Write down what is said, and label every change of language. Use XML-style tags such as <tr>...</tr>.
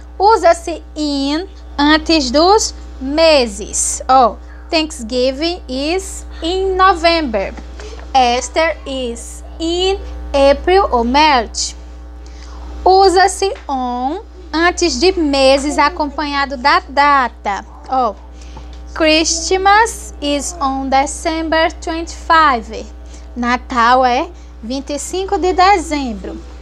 <pt>Usa-se in antes dos meses.</pt> <en>Oh, Thanksgiving is in November. Easter is in April or March.</en> <pt>Usa-se on antes de meses, acompanhado da data.</pt> <en>Oh, Christmas is on December 25.</en> <pt>Natal é 25 de dezembro.</pt>